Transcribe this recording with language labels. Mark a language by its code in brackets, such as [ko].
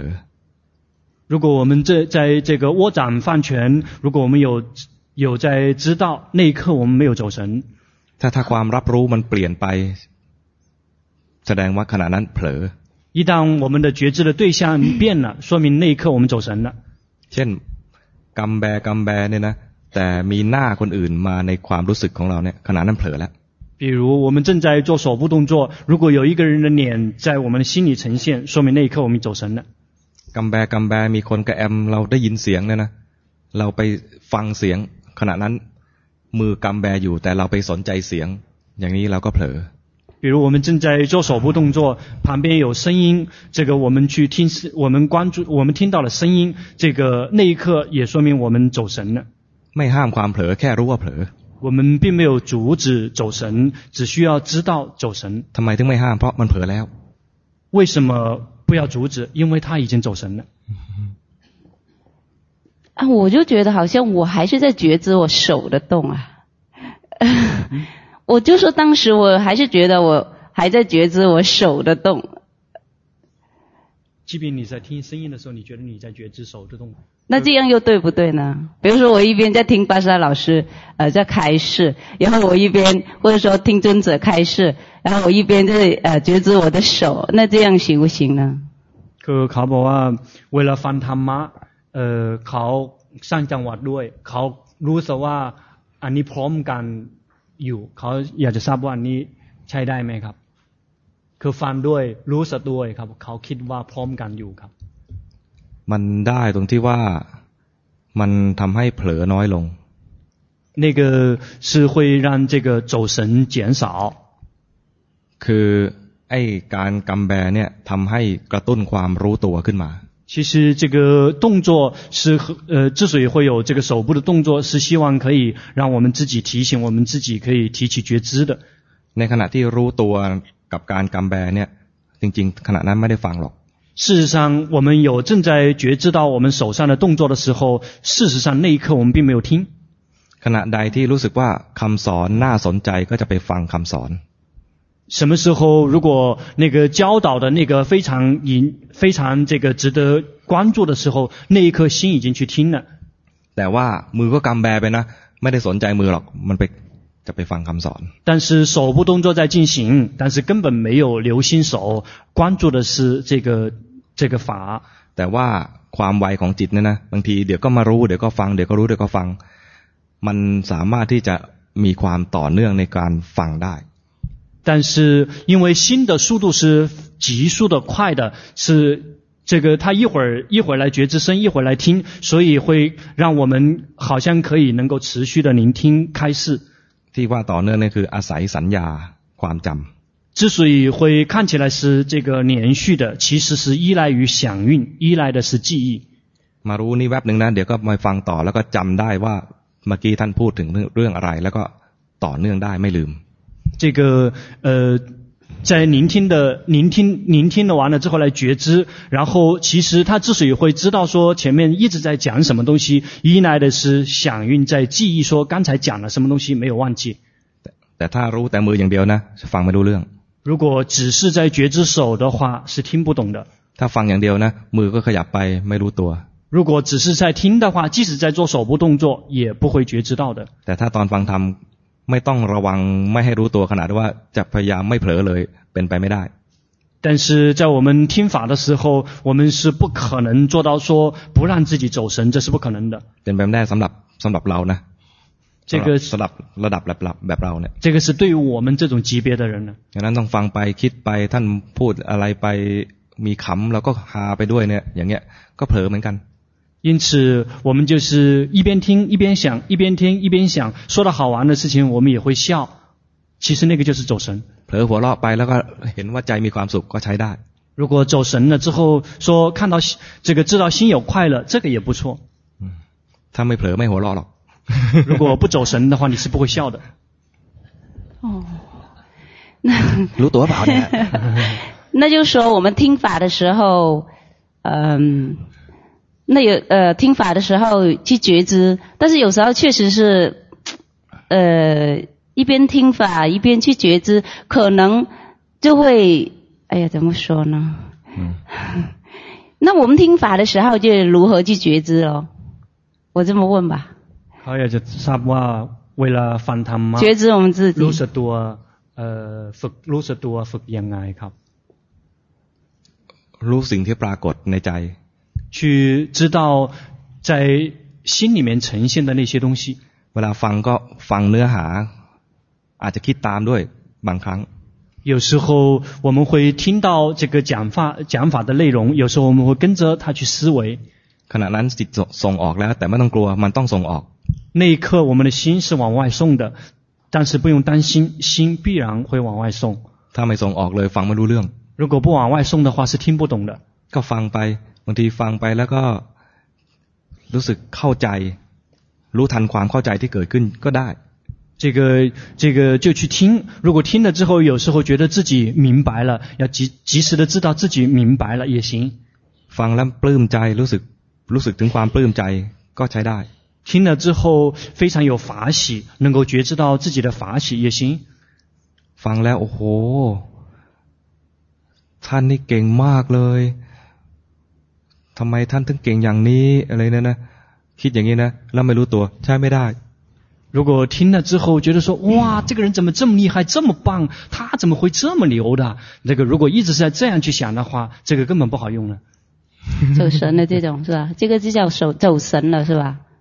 [zh] อ。如果我们在这个握掌放拳，如果我们有在知道那一刻我们没有走神。 [th] ถ้าความรับรู้มันเปลี่ยนไปแสดงว่าขณะนั้นเผลอ。 [zh] 一旦我们的觉知的对象变了，说明那一刻我们走神了。 [th] เช่นกำแบกำแบเนี่ยนะแต่มีหน้าคนอื่นมาในความรู้สึกของเราเนี่ยขณะนั้นเผลอแล้ว。 [zh] 比如我们正在做手部动作，如果有一个人的脸在我们心里呈现，说明那一刻我们走神了。 [th] กำแบกำแบมีคนกระแอมเราได้ยินเสียงเนี่ยนะเราไปฟังเสียงขณะนั้นมือกำแบอยู่แต่เราไปสนใจเสียงอย่างนี้เราก็เผลอ [zh] 比如我们正在做手部动作，旁边有声音，这个我们去听，我们关注，我们听到了声音，这个那一刻也说明我们走神了。 [th] ไม่ห้ามความเผลอแค่รู้ว่าเผลอ。 [zh] 我们并没有阻止走神，只需要知道走神。 [th] ทำไมถึงไม่ห้ามเพราะมันเผลอแล้ว。 [zh] 为什么不要阻止？因为他已经走神了。啊，我就觉得好像我还是在觉知我手的动啊。我就说当时我还是觉得我还在觉知我手的动。即便你在听声音的时候，你觉得你在觉知手的动。那这样又对不对呢？比如说我一边在听巴沙老师在开示，然后我一边或者说听尊者开示，然后我一边在觉知我的手，那这样行不行呢？可考宝啊，为了翻他妈，考上讲话对，考如此话啊，你 [th] พร้อมกันอยู่เขาอยากจะทราบว่านี้ใช้ได้ไหมครับคือฟังด้วยรู้สึกด้วยครับเขาคิดว่าพร้อมกันอยู่ครับ มันได้ตรงที่ว่ามันทำให้เผลอน้อยลง [zh] 那个是会让这个走神减少 [th] คือไอ้การกำแบเนี่ยทำให้กระตุ้นความรู้ตัวขึ้นมา [zh] 其实这个动作是之所以会有这个手部的动作，是希望可以让我们自己提醒我们自己可以提起觉知的。 [th] ในขณะที่รู้ตัวกับการกำแบเนี่ยจริงๆขณะนั้นไม่ได้ฟังหรอก。 [zh] 事实上，我们有正在觉知到我们手上的动作的时候，事实上那一刻我们并没有听。 [th] ขณะใดที่รู้สึกว่าคำสอนน่าสนใจก็จะไปฟังคำสอน。 [zh] 什么时候如果那个教导的那个非常这个值得关注的时候那一颗心已经去听了但是手部动作在进行但是根本没有留心手关注的是这个法 [th] แต่ว่าความไวของจิตเนี่ยนะบางทีเดี๋ยวก็มารู้เดี๋ยวก็ฟังเดี๋ยวก็รู้เดี๋ยวก็ฟังมันสามารถที่จะมีความต่อเนื่องในการฟังได้ [zh] 但是因为心的速度是急速的快的是这个他一会儿来觉知身一会儿来听所以会让我们好像可以能够持续的聆听开示 [th] ที่ว่าต่อเนื่องนี่คืออาศัยสัญญาความจำ [zh] 之所以会看起来是这个连续的其实是依赖于响应依赖的是记忆 [th] มารู้นี่แวบนึงนะเดี๋ยวก็มาฟังต่อแล้วก็จำได้ว่าเมื่อกี้ท่านพูดถึงเรื่องอะไรแล้วก็ต่อเนื่องได้ไม่ลืม [zh] 这个在聆听的完了之后来觉知然后其实他之所以会知道说前面一直在讲什么东西依赖的是响应在记忆说刚才讲了什么东西没有忘记 [th] แต่ถ้ารู้แต่มืออย่างเดียวนะฟังไม่รู้เรื่อง [zh] 如果只是在觉知手的话是听不懂的 [th] ถ้าฟังอย่างเดียวนะมือก็ขยับไปไม่รู้ตัว [zh] 如果只是在听的话即使在做手部动作也不会觉知到的 [th] แต่ถ้าตอนฟังธรรมไม่ต้องระวังไม่ให้รู้ตัวขนาดว่าจะพยายามไม่เผลอเลยเป็นไปไม่ได้ [zh] 但是在我们听法的时候我们是不可能做到说不让自己走神这是不可能的 [th] เป็นไปไม่ได้สำหรับเรานะ [zh] 这个 [th] สลับระดับแบบเราเนี่ย [zh] 这个是对于我们这种级别的人呢 [th] ดังนั้นต้องฟังไปคิดไปท่านพูดอะไรไปมีขำเราก็หาไปด้วยเนี่ยอย่างเงี้ยก็เผลอเหมือนกัน [zh] 因此我们就是一边听一边想一边听一边想说的好玩的事情我们也会笑其实那个就是走神 [th] เผลอหัวเราะไปแล้วก็เห็นว่าใจมีความสุขก็ใช้ได้ [zh] 如果走神了之后说看到这个知道心有快乐这个也不错他没 [th] เผลอไม่หัวเราะหรอก [zh] 如果不走神的话你是不会笑的哦 [th] รู้ตัวเปล่าเนี่ย [zh] 那就说我们听法的时候那有听法的时候去觉知但是有时候确实是一边听法一边去觉知可能就会哎呀怎么说呢那我们听法的时候就如何去觉知咯我这么问吧 [th] เขาอยากจะทราบว่าเวลาฟังธรรมะ [zh] 觉知我们自己 [th] รู้สึกตัวฝึกรู้สึกตัวฝึกยังไงครับ รู้สิ่งที่ปรากฏในใจ [zh] 去知道在心里面呈现的那些东西 [th] เวลาฟังก็ฟังเนื้อหาอาจจะคิดตามด้วยบางครั้ง [zh] 有时候我们会听到这个讲法的内容有时候我们会跟着他去思维 [th] ขณะนั้นจิตส่งออกแล้วแต่ไม่ต้องกลัวมันต้องส่งออก [zh] 那一刻我们的心是往外送的但是不用担心心必然会往外送 [th] ถ้าไม่ส่งออกเลยฟังไม่รู้เรื่อง [zh] 如果不往外送的话是听不懂的 [th] ก็ฟังไปบางทีฟังไปแล้วก็รู้สึกเข้าใจรู้ทันความเข้าใจที่เกิดขึ้นก็ได้ [zh] 这个就去听如果听了之后有时候觉得自己明白了要及时的知道自己明白了也行 [th] ฟังแล้วปลื้มใจรู้สึกถึงความปลื้มใจก็ใช้ได้ [zh] 听了之后非常有法喜能够觉知到自己的法喜也行 [th] ฟังแล้วโอ้โหท่านนี่เก่งมากเลยทำไมท่านถึงเก่งอย่างนี้อะไรเนี่ยนะคิดอย่างนี้นะแล้วไม่รู้ตัวใช่ไม่ได้ [zh] 如果听了之后觉得说哇这个人怎么这么厉害这么棒他怎么会这么牛的那个如果一直在这样去想的话这个根本不好用了走神了这种是吧这个就叫走神了是吧